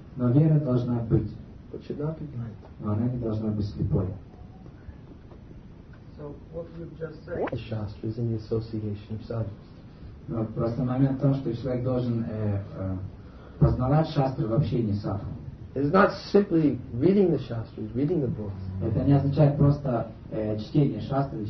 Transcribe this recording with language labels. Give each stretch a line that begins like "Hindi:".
Russian: Но вера должна быть.
English: But should not be blind.
Russian: Но она не должна быть слепой.
English: So what you've just said. Shastra is in the association of sadhus.
Russian: Но просто момент в том, что человек должен познавать шастру в общении с садху.
English: It's not simply reading the shastras, reading the books.
Russian: Это не означает просто чтение шастры.